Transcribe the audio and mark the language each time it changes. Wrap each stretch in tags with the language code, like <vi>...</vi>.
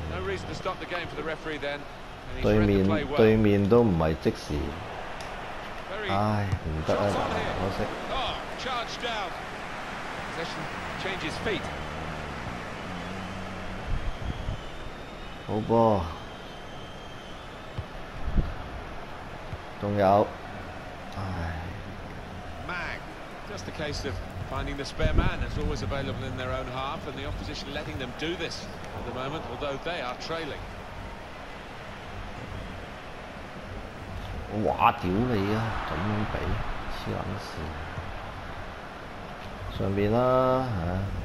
<en>No reason to stop the game for the referee then.</en> <yue>對面都唔係即時，唉，唔得啊，可惜。好波，仲有，唉。</yue> <en>Mag, just a case of finding the spare man. It's always available in their own half, and the opposition letting them do this at the moment, although they are trailing.</en> <yue>哇！屌你啊！咁樣比黐撚線，上邊啦嚇。</yue>